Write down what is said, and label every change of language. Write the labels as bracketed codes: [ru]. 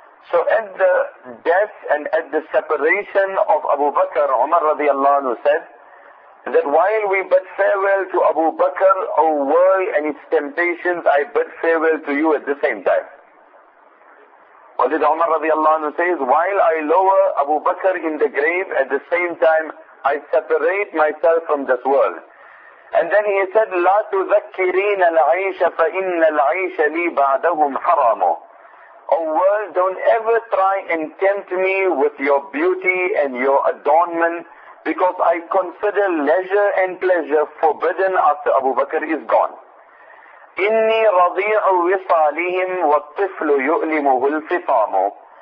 [en] So at the death and at the separation of Abu Bakr, Umar radiallahu anhu said that while we bid farewell to Abu Bakr, O world and its temptations, I bid farewell to you at the same time. What did Umar radiallahu anhu say? While I lower Abu Bakr in the grave, at the same time I separate myself from this world. And then he said, [ar] لا تذكرين العيش فإن العيش لي بعدهم حرام. [en] O world, don't ever try and tempt me with your beauty and your adornment, because I consider leisure and pleasure forbidden after Abu Bakr is gone. [ar] إِنِّي رَضِيعُ وِصَالِهِمْ وَالطِّفْلُ يُؤْلِمُهُ الْفِصَامُ.